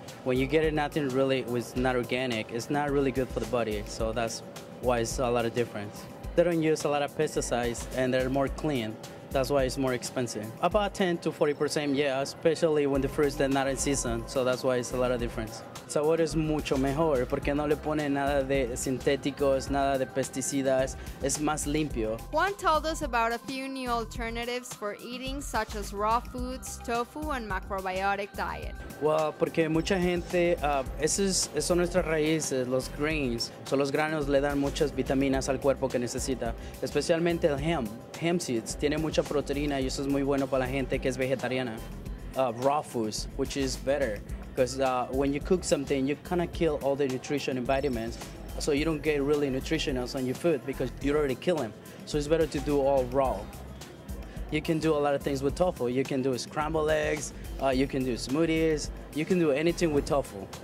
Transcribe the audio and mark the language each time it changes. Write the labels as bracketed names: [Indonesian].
[English] When you get it, nothing really was not organic, it's not really good for the body, so that's why it's a lot of difference. They don't use a lot of pesticides and they're more clean. That's why it's more expensive. About 10 to 40%, yeah, especially when the fruits are not in season. So that's why it's a lot of difference. [Spanish] Sabor es mucho mejor porque no le ponen nada de sintéticos, nada de pesticidas. Es más limpio. [English] Juan told us about a few new alternatives for eating, such as raw foods, tofu, and macrobiotic diet. [Spanish] Well, porque mucha gente, esos son nuestras raíces, los grains. Son los granos, le dan muchas vitaminas al cuerpo que necesita, especialmente el hemp. Hemp seeds tiene mucha proteína y eso es muy bueno para la gente que es vegetariana. [English] Raw foods, which is better, because when you cook something, you kind of kill all the nutrition and vitamins, so you don't get really nutritionals on your food because you're already killing. So it's better to do all raw. You can do a lot of things with tofu. You can do scrambled eggs, you can do smoothies, you can do anything with tofu.